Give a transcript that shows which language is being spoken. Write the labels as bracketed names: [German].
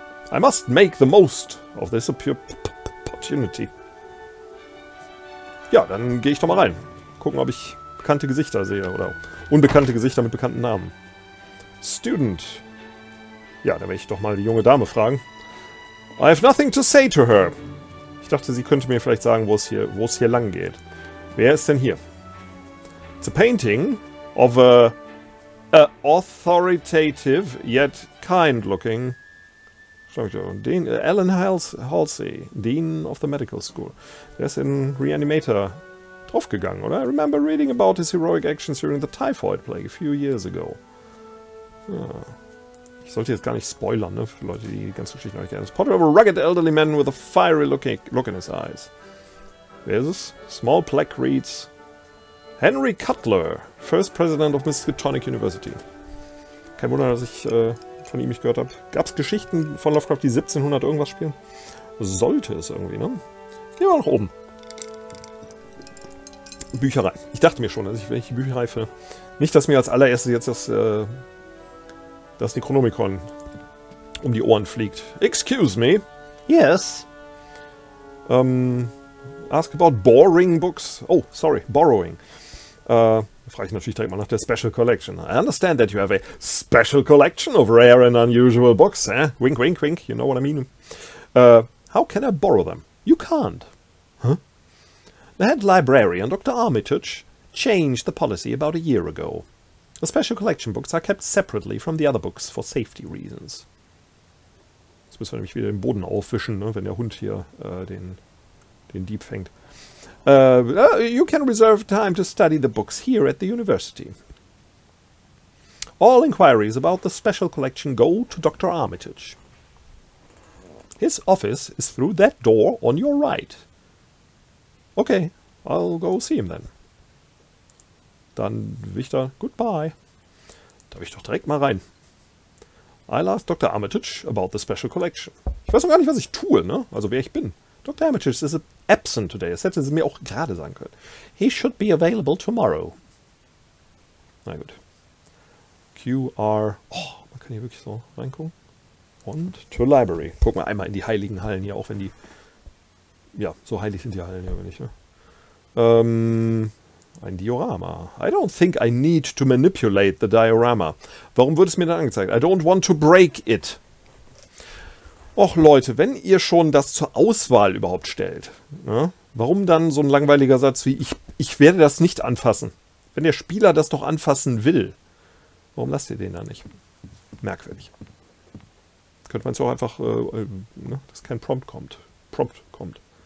[English] I must make the most of this opportunity. [German] Ja, dann gehe ich doch mal rein. Gucken, ob ich bekannte Gesichter sehe oder unbekannte Gesichter mit bekannten Namen. Student. Ja, dann werde ich doch mal die junge Dame fragen. [English] I have nothing to say to her. [German] Ich dachte, sie könnte mir vielleicht sagen, wo es hier lang geht. Wer ist denn hier? [English] It's a painting of a authoritative yet kind-looking... Dean Alan Halsey, Dean of the Medical School. [German] Der ist in Reanimator draufgegangen, oder? [English] I remember reading about his heroic actions during the typhoid plague a few years ago. Ja. [German] Ich sollte jetzt gar nicht spoilern, ne, für Leute, die die ganze Geschichte noch nicht kennen. [English] Portrait of a rugged elderly man with a fiery looking look in his eyes. [German] Wer ist es? [English] Small plaque reads: Henry Cutler, first president of Miskatonic University. [German] Kein Wunder, dass ich von ihm nicht gehört habe. Gab es Geschichten von Lovecraft, die 1700 irgendwas spielen? Sollte es irgendwie, ne? Gehen wir nach oben. Bücherei. Ich dachte mir schon, dass ich, wenn ich die Bücherei finde. Nicht, dass mir als allererstes jetzt das Necronomicon um die Ohren fliegt. [English] Excuse me. Yes. Ask about borrowing books. Oh, sorry. Borrowing. [German] Frage ich natürlich direkt mal nach der Special Collection. [English] I understand that you have a special collection of rare and unusual books, eh? Wink, wink, wink. You know what I mean. How can I borrow them? You can't. Huh? The head librarian, Dr. Armitage, changed the policy about a year ago. The special collection books are kept separately from the other books for safety reasons. [German] Jetzt müssen wir nämlich wieder den Boden aufwischen, ne, wenn der Hund hier den Dieb fängt. [English] You can reserve time to study the books here at the university. All inquiries about the special collection go to Dr. Armitage. His office is through that door on your right. Okay, I'll go see him then. Dann Wichter, goodbye. [German] Darf ich doch direkt mal rein. [English] I'll ask Dr. Armitage about the special collection. [German] Ich weiß noch gar nicht, was ich tue, ne? Also wer ich bin. [English] Dr. Armitage is absent today. [German] Das hätte sie mir auch gerade sagen können. [English] He should be available tomorrow. [German] Na gut. [English] QR. [German] Oh, man kann hier wirklich so reingucken. Und to library. Gucken wir einmal in die heiligen Hallen hier, auch wenn die... Ja, so heilig sind die Hallen hier, wenn ich... Ne? Ein Diorama. [English] I don't think I need to manipulate the diorama. [German] Warum wird es mir dann angezeigt? [English] I don't want to break it. [German] Och Leute, wenn ihr schon das zur Auswahl überhaupt stellt, ne? Warum dann so ein langweiliger Satz wie ich werde das nicht anfassen? Wenn der Spieler das doch anfassen will, warum lasst ihr den dann nicht? Merkwürdig. Könnte man es auch einfach, ne? Dass kein Prompt kommt. Prompt kommt.